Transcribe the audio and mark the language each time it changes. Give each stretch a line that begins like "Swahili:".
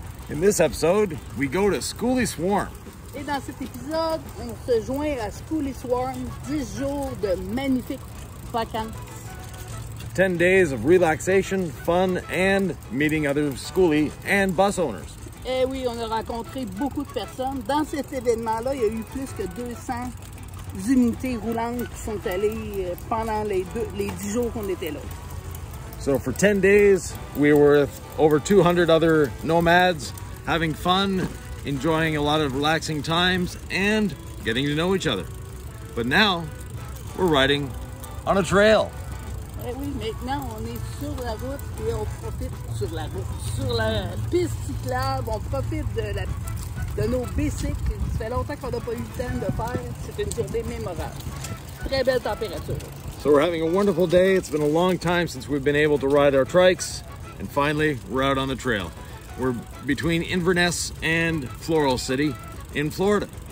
English: In this episode, we go to Skoolie Swarm.
French: Et dans cet épisode, on se joint à Skoolie Swarm, 10 jours de magnifiques vacances.
English: 10 days of relaxation, fun, and meeting other Skoolie and bus owners.
French: Eh oui, on a rencontré beaucoup de personnes. Dans cet événement-là, il y a eu plus que 200 unités roulantes qui sont allées pendant les 10 jours qu'on était là.
English: So for 10 days, we were with over 200 other nomads, having fun, enjoying a lot of relaxing times, and getting to know each other. But now, we're riding on a trail.
French: Oui, maintenant, on est sur la route et on profite sur la route. Sur la piste cyclable, on profite de nos bicycles. Ça fait longtemps qu'on n'a pas eu le temps de faire. C'est une journée mémorable. Très belle température.
English: So we're having a wonderful day. It's been a long time since we've been able to ride our trikes. And finally, we're out on the trail. We're between Inverness and Floral City in Florida.